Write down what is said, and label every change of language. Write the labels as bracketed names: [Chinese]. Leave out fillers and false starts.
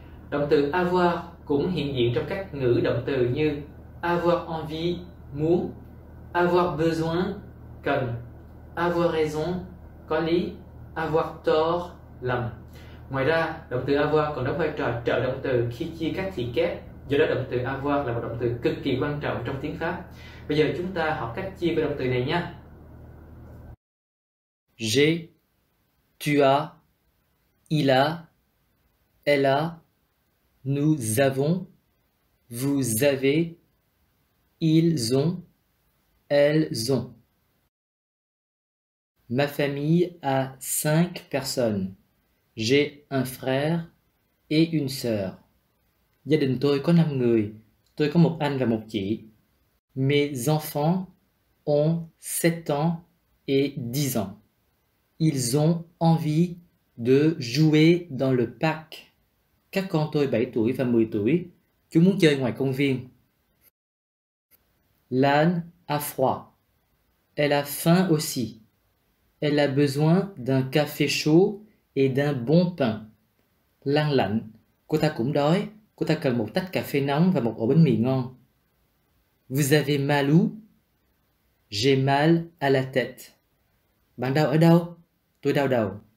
[Vietnamese] Động từ avoir cũng hiện diện trong các ngữ động từ như [French] avoir envie, [Vietnamese] muốn, [French] avoir besoin, [Vietnamese] cần, [French] avoir raison, [Vietnamese] có lý, [French] avoir tort, [Vietnamese] lầm. Ngoài ra, động từ avoir còn đóng vai trò trợ động từ khi chia các thị kép. Do đó, động từ avoir là một động từ cực kỳ quan trọng trong tiếng Pháp. Bây giờ chúng ta học cách chia với động từ này nhé. [French] J'ai, tu as, il a, elle a, nous avons, vous avez, ils ont, elles ont. Ma famille a 5 personnes. J'ai un frère et une sœur. [Vietnamese] Gia đình tôi có 5 người. Tôi có một anh và một chị. [French] Mes enfants ont 7 ans et 10 ans. Ils ont envie de jouer dans le parc. [Vietnamese] Các con tôi 7 tuổi và 10 tuổi. Chúng muốn chơi ngoài công viên. [French] L'âne a froid. Elle a faim aussi. Elle a besoin d'un café chaud et d'un bon pain. [Vietnamese] Lăng lạnh, cô ta cũng đói, cô ta cần một tách cà phê nóng và một ổ bánh mì ngon. [French] Vous avez mal où? J'ai mal à la tête. [Vietnamese] Bạn đau ở đâu? Tôi đau đầu.